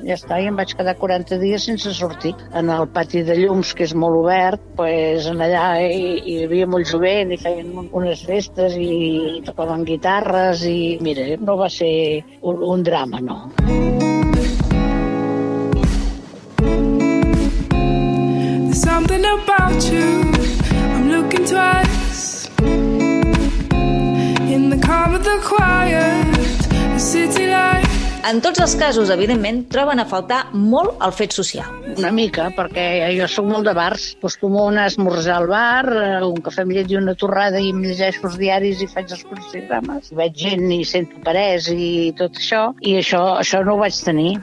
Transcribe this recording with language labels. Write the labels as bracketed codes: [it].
[ca] Ja està, i em vaig quedar 40 dies sense sortir. En el pati de llums, que és molt obert, pues, en allà hi havia molt jovent i feien unes festes i tocaven guitarres i, mira, no va ser un drama, no. [en] Something about you, I'm looking twice. In the calm of the quiet, the city light. [ca] En tots els casos, evidentment, troben a faltar molt el fet social. Una mica, perquè jo sóc molt de bars. Acostumo a esmorzar al bar, un cafè amb llet i una torrada, i em llegeixo els diaris i faig els programes. Veig gent i sento parets i tot això. I això no ho vaig tenir.